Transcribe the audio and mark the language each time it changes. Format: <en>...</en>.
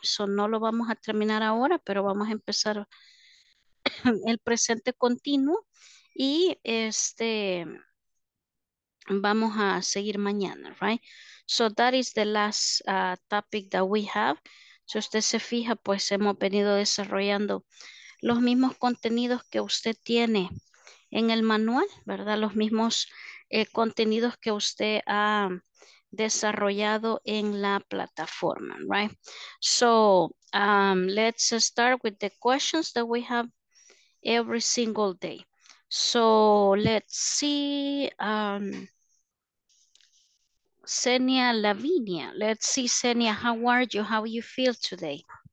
<es>So no lo vamos a terminar ahora, pero vamos a empezar el presente continuo y este vamos a seguir mañana,</es> <en>right? So that is the last topic that we have.</en> <es>Si usted se fija, pues hemos venido desarrollando los mismos contenidos que usted tiene en el manual, ¿verdad? Los mismos contenidos que usted ha desarrollado en la plataforma,</es> <en>right? So let's start with the questions that we have every single day. So let's see, Xenia Lavinia. Let's see, Xenia, how are you? How you feel today?</en>